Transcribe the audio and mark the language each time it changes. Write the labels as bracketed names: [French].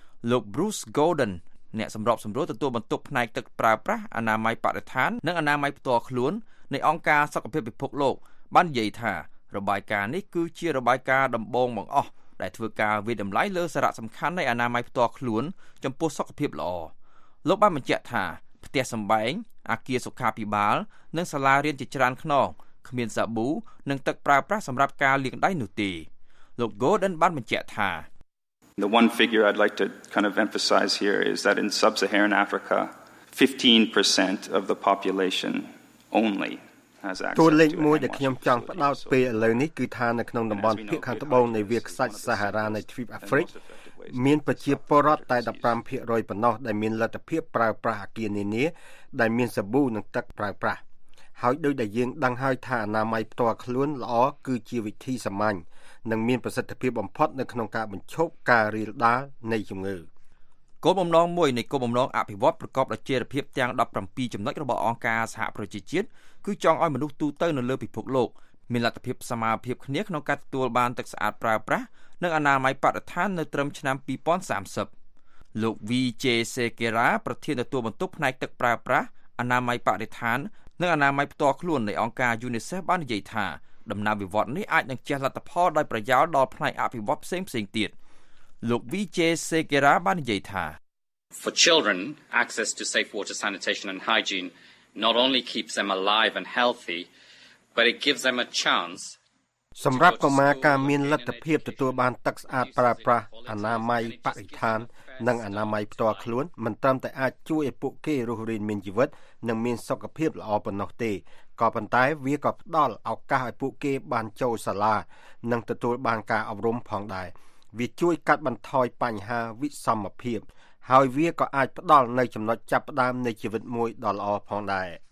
[Khmer] លោក Bruce Golden អ្នកសម្របសម្រួលទទួលបន្ទុកផ្នែកទឹកប្រើប្រាស់អនាម័យបរិស្ថាននិងអនាម័យផ្ទាល់ខ្លួននៃអង្គការសុខភាពពិភពលោកបាននិយាយថារបាយការណ៍នេះគឺជារបាយការណ៍ដំបូងបង្អស់ដែលធ្វើការវាយតម្លៃលើសារៈសំខាន់នៃអនាម័យផ្ទាល់ខ្លួនចំពោះសុខភាពល្អលោកបានបញ្ជាក់ថាផ្ទះសម្បែងអគារសុខាភិបាលនិងសាលារៀនជាច្រើនខ្នងគ្មានសាប៊ូនិងទឹកប្រើប្រាស់សម្រាប់ការលាងដៃនោះទេលោក Golden បានបញ្ជាក់ថា [English] The one figure I'd like to kind of emphasize here is that in sub-Saharan Africa 15% of the population only [Khmer] ទួលេខមួយដែលខ្ញុំចង់ផ្ដោតពេលឥឡូវនេះគឺថានៅក្នុងតំបន់ភាគខាងត្បូងនៃវាលខ្សាច់សាហារ៉ានៅទ្វីបអាហ្វ្រិកមានប្រជាពលរដ្ឋតែ 15% ប៉ុណ្ណោះដែលមានលទ្ធភាពប្រើប្រាស់អគ្គិសនីនេះដែលមានសាប៊ូនិងទឹកប្រើប្រាស់ហើយដូចដែលយើងដឹងហើយថាអនាម័យផ្ទាល់ខ្លួនល្អគឺជាវិធីសាមញ្ញនិងមានប្រសិទ្ធភាពបំផុតនៅក្នុងការបញ្ឈប់ការរាលដាលនៃជំងឺ គោលបំណងមួយនៃគោលបំណងអភិវឌ្ឍប្រកបដោយចីរភាពទាំង17ចំណុចរបស់អង្គការសហប្រជាជាតិគឺចង់ឲ្យមនុស្សទូទៅនៅលើពិភពលោកមានលទ្ធភាពសមភាពគ្នាក្នុងការទទួលបានទឹកស្អាតប្រើប្រាស់និងអនាម័យបរិស្ថាននៅត្រឹមឆ្នាំ 2030លោក VJ Sekera ប្រធានទទួលបន្ទុកផ្នែកទឹកប្រើប្រាស់អនាម័យបរិស្ថាននិងអនាម័យផ្ទាល់ខ្លួននៃអង្គការ UNICEF បាននិយាយថាដំណើរវិវត្តនេះអាចនឹងជះលទ្ធផលដោយប្រយោលដល់ផ្នែកអភិវឌ្ឍផ្សេងៗទៀតលោក VJ Sekera បាននិយាយថា [English] For children access to safe water sanitation and hygiene not only keeps them alive and healthy but it gives them a chance [Khmer] សម្រាប់កុមារការមានលទ្ធភាពទទួលបានទឹកស្អាតប្រើប្រាស់អនាម័យបរិស្ថាននិងអនាម័យផ្ទាល់ខ្លួនមិនត្រឹមតែអាចជួយឲ្យពួកគេរស់រានមានជីវិតនិងមានសុខភាពល្អប៉ុណ្ណោះទេក៏ប៉ុន្តែវាក៏ផ្ដល់ឱកាសឲ្យពួកគេបានចូលសាលានិងទទួលបានការអប់រំផងដែរវាជួយកាត់បន្ថយបញ្ហាវិសមភាពហើយវាក៏អាចផ្ដល់នូវចំណុចចាប់ផ្ដើមនៃជីវិតមួយដ៏ល្អផងដែរ